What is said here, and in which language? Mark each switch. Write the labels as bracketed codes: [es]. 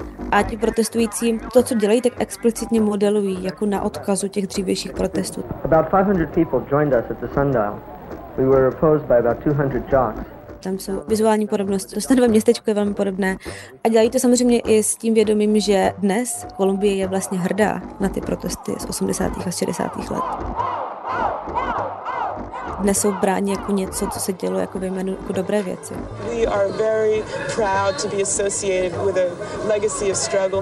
[cs] A ti protestující to, co dělají, tak explicitně modelují jako na odkazu těch dřívějších protestů. [en] About 500 people joined us at the sundial. We were opposed by about 200 jocks. [cs] Tam jsou vizuální podobnosti. To stanové městečko je velmi podobné. A dělají to samozřejmě i s tím vědomím, že dnes Kolumbie je vlastně hrdá na ty protesty z 80. a 60. let. Dnes jsou bráni jako něco, co se dělo jako vyjmenu jako dobré věci. [en] We are very proud to be associated with a legacy of struggle